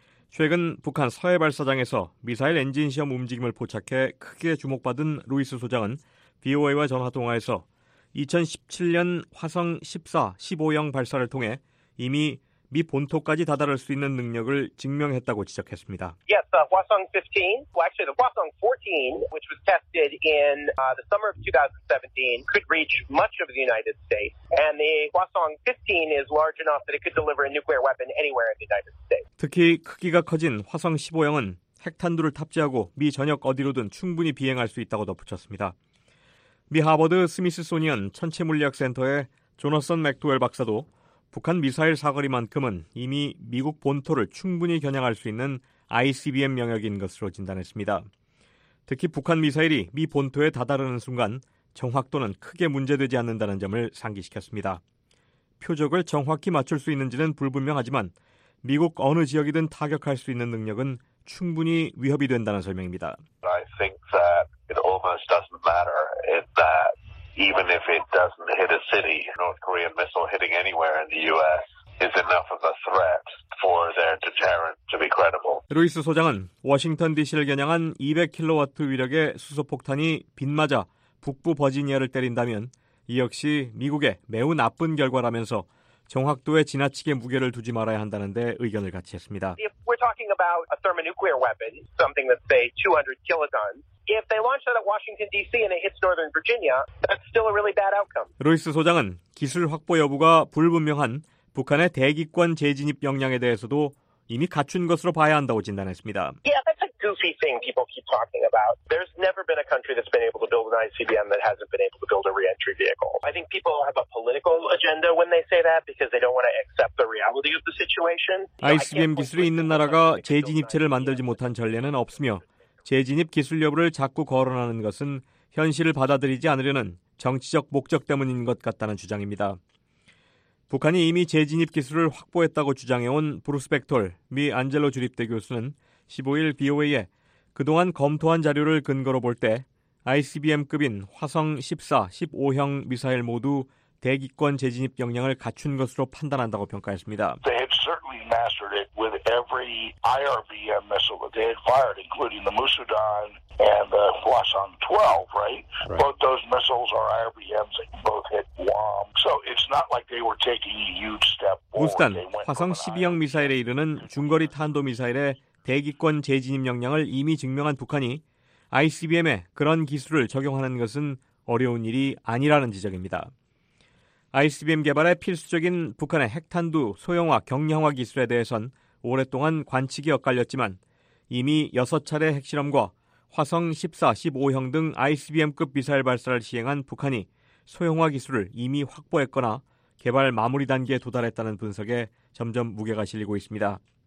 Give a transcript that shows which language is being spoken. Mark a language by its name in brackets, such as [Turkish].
[Korean] 최근 북한 서해 발사장에서 미사일 엔진 시험 움직임을 포착해 크게 주목받은 루이스 소장은 VOA와 전화통화에서 2017년 화성 14, 15형 발사를 통해 이미 미 본토까지 다다를 수 있는 능력을 증명했다고 지적했습니다. [English] Yes, the 화성 15, well actually the 화성 14, which was tested in the summer of 2017, could reach much of the United States. And the 화성 15 is large enough that it could deliver a nuclear weapon anywhere in the United States. [Korean] 특히 크기가 커진 화성 15형은 핵탄두를 탑재하고 미 전역 어디로든 충분히 비행할 수 있다고 덧붙였습니다. 미 하버드 스미스소니언 천체물리학센터의 조너선 맥도웰 박사도 북한 미사일 사거리만큼은 이미 미국 본토를 충분히 겨냥할 수 있는 ICBM 영역인 것으로 진단했습니다. 특히 북한 미사일이 미 본토에 다다르는 순간 정확도는 크게 문제되지 않는다는 점을 상기시켰습니다. 표적을 정확히 맞출 수 있는지는 불분명하지만 미국 어느 지역이든 타격할 수 있는 능력은 충분히 위협이 된다는 설명입니다. [English] I think that it almost doesn't matter if that even if it doesn't hit a city, North Korean missile hitting anywhere in the U.S. is enough of a threat for their deterrent to be credible. [Korean] 루이스 소장은 워싱턴 D.C.를 겨냥한 200kW 위력의 수소폭탄이 빗맞아 북부 버지니아를 때린다면 이 역시 미국의 매우 나쁜 결과라면서 정확도에 지나치게 무게를 두지 말아야 한다는 데 의견을 같이 했습니다. [English] If we're talking about a thermonuclear weapon, something that's say 200 kilotons, if they launch that at Washington D.C. and it hits Northern Virginia, that's still a really bad outcome. [Korean] 루이스 소장은 기술 확보 여부가 불분명한 북한의 대기권 재진입 역량에 대해서도 이미 갖춘 것으로 봐야 한다고 진단했습니다. [English] Yeah, that's a goofy thing people keep talking about. There's never been a country that's been able to build an ICBM that hasn't been able to build a re-entry vehicle. I think people have a political agenda when they say that because they don't want to accept the reality of the situation. [Korean] ICBM 기술이 있는 나라가 재진입체를 만들지 못한 전례는 없으며 재진입 기술 여부를 자꾸 거론하는 것은 현실을 받아들이지 않으려는 정치적 목적 때문인 것 같다는 주장입니다. 북한이 이미 재진입 기술을 확보했다고 주장해온 브루스 벡톨 미 안젤로 주립대 교수는 15일 BOA에 그동안 검토한 자료를 근거로 볼 때 ICBM급인 화성 14, 15형 미사일 모두 대기권 재진입 역량을 갖춘 것으로 판단한다고 평가했습니다. [English] They have certainly mastered it with every IRBM missile that they had fired, including the Musudan and the Hwasong-12, right? Both those missiles are IRBMs that both hit Guam. So it's not like they were taking a huge step forward. [Korean] 무수단, 화성 12형 미사일에 이르는 중거리 탄도 미사일의 대기권 재진입 역량을 이미 증명한 북한이 ICBM에 그런 기술을 적용하는 것은 어려운 일이 아니라는 지적입니다. ICBM 개발에 필수적인 북한의 핵탄두 소형화 경량화 기술에 대해선 오랫동안 관측이 엇갈렸지만 이미 6차례 핵실험과 화성 14, 15형 등 ICBM급 미사일 발사를 시행한 북한이 소형화 기술을 이미 확보했거나 개발 마무리 단계에 도달했다는 분석에 점점 무게가 실리고 있습니다.